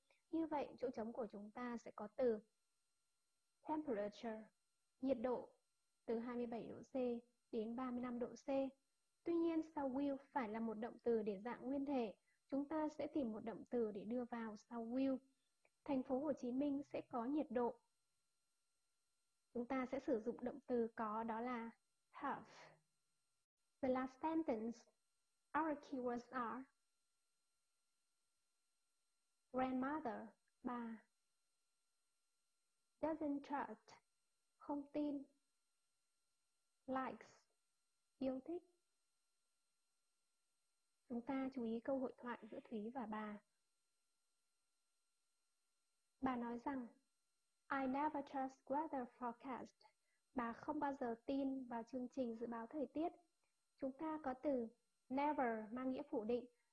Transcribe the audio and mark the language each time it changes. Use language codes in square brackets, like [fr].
[vi] Như vậy, chỗ trống của chúng ta sẽ có từ temperature, nhiệt độ từ 27 độ C đến 35 độ C. Tuy nhiên, sau will phải là một động từ để dạng nguyên thể. Chúng ta sẽ tìm một động từ để đưa vào sau will. Thành phố Hồ Chí Minh sẽ có nhiệt độ. Chúng ta sẽ sử dụng động từ có đó là have. [en] The last sentence, our keywords are grandmother, bà, doesn't trust, [vi] không tin, [en] likes, [vi] yêu thích. Chúng ta chú ý câu hội thoại giữa Thúy và bà. Bà nói rằng, [en] I never trust weather forecast. [vi] Bà không bao giờ tin vào chương trình dự báo thời tiết. Chúng ta có từ never mang nghĩa phủ định.